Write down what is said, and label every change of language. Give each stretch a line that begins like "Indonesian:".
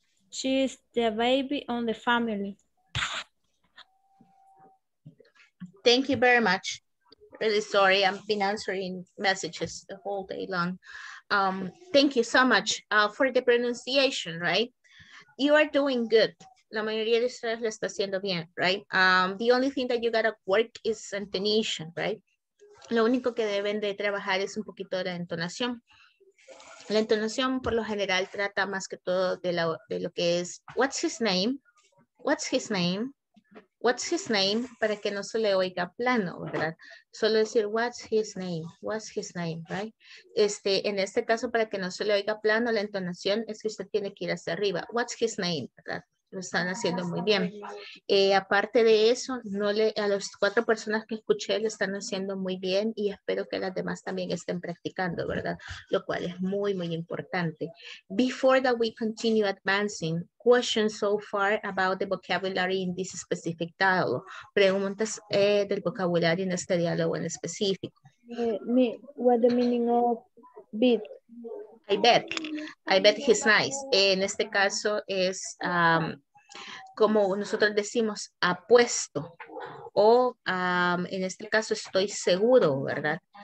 English: She's the baby on the family. Thank you very much. Really sorry, I've been answering messages the whole day long. Thank you so much for the pronunciation, right? You are doing good.
Spanish: La mayoría de ustedes lo está haciendo bien, right?
English: The only thing that you gotta work is intonation, right?
Spanish: Lo único que deben de trabajar es un poquito de la entonación. La entonación, por lo general, trata más que todo de lo que es,
English: what's his name? What's his name?
Spanish: What's his name? Para que no se le oiga plano, ¿verdad? Solo decir,
English: what's his name? What's his name, right?
Spanish: En este caso, para que no se le oiga plano, la entonación es que usted tiene que ir hacia arriba.
English: What's his name,
Spanish: ¿verdad? Lo están haciendo muy bien. Aparte de eso, a las cuatro personas que escuché lo están haciendo muy bien y espero que las demás también estén practicando, ¿verdad? Lo cual es muy, muy importante.
English: Before that we continue advancing, questions so far about the vocabulary in this specific dialogue.
Spanish: Preguntas del vocabulario en este diálogo en específico.
English: What the meaning of bit? I bet he's nice.
Spanish: En este caso es como nosotros decimos apuesto o en este caso estoy seguro, ¿verdad?